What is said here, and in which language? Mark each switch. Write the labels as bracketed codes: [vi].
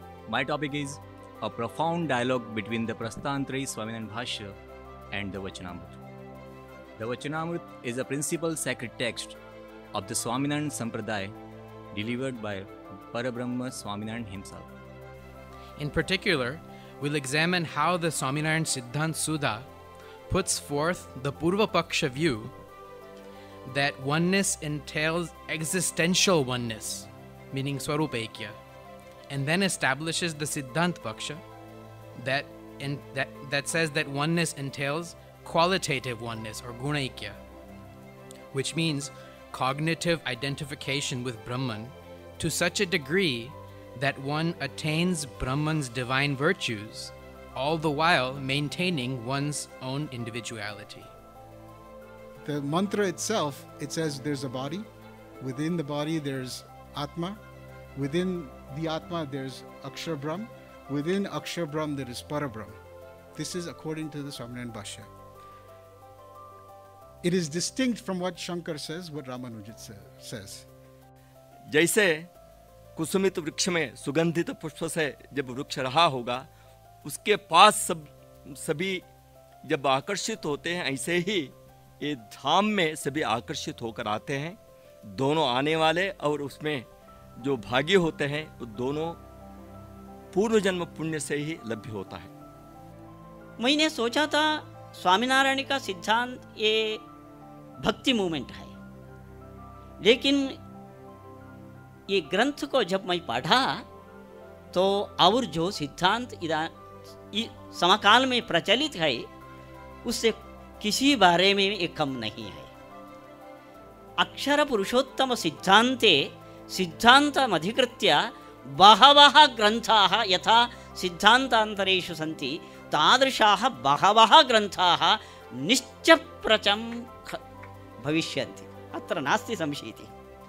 [en] My topic is a profound dialogue between the Prasthanatrayi Swaminarayan Bhashya and the Vachanamrut. The Vachanamrut is a principal sacred text of the Swaminarayan Sampradaya delivered by Parabrahma Swaminarayan himself. In particular, we'll examine how the Swaminarayan Siddhant Sudha puts forth the Purva Paksha view that oneness entails existential oneness, meaning Swarupa Ekya, and then establishes the Siddhant Paksha that says that oneness entails qualitative oneness or Guna Ekya, which means cognitive identification with Brahman to such a degree that one attains Brahman's divine virtues, all the while maintaining one's own individuality. The mantra itself, it says there's a body. Within the body, there's Atma. Within the Atma, there's Akshara Brahm. Within Akshara Brahm, there is Parabrahm. This is according to the Swaminarayana Bhashya. It is distinct from what Shankar says, what Ramanujit says. [hi] जैसे कुसुमित वृक्ष में सुगंधित पुष्प से जब वृक्ष रहा होगा उसके पास सभी जब आकर्षित होते हैं ऐसे ही ये धाम में सभी आकर्षित होकर आते हैं। दोनों आने वाले और उसमें जो भागी होते हैं वो दोनों पूर्व जन्म पुण्य से ही लभ्य होता है। मैंने सोचा था स्वामीनारायण का सिद्धांत ये भक्ति मूवमेंट है, लेकिन ये ग्रंथ को जब मैं पढ़ा तो और जो सिद्धांत समकाल में प्रचलित है उससे किसी बारे में ये कम नहीं है। [sa] अक्षर पुरुषोत्तम सिद्धांते सिद्धांतम अधिकृत्य बहवः ग्रंथाः यथा सिद्धांतांतरेषु सन्ति तादृशाः बहवः ग्रन्थाः निश्चप्रचं भविष्यन्ति, अत्र नास्ति संशयः।